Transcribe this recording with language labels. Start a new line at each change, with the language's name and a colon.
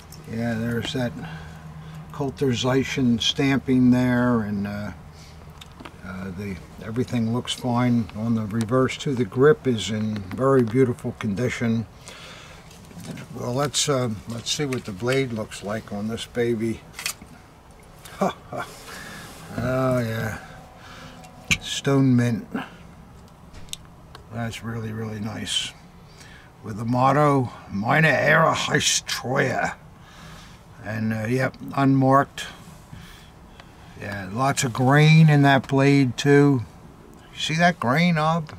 English: Yeah, there's that Coulterization stamping there, and everything looks fine on the reverse too. The grip is in very beautiful condition. Well, let's see what the blade looks like on this baby. Oh yeah, stone mint. That's really, really nice. With the motto,
German: Meine Ehre heißt Treue.
English: And yep, unmarked. Yeah, lots of grain in that blade too. See that grain, Ob?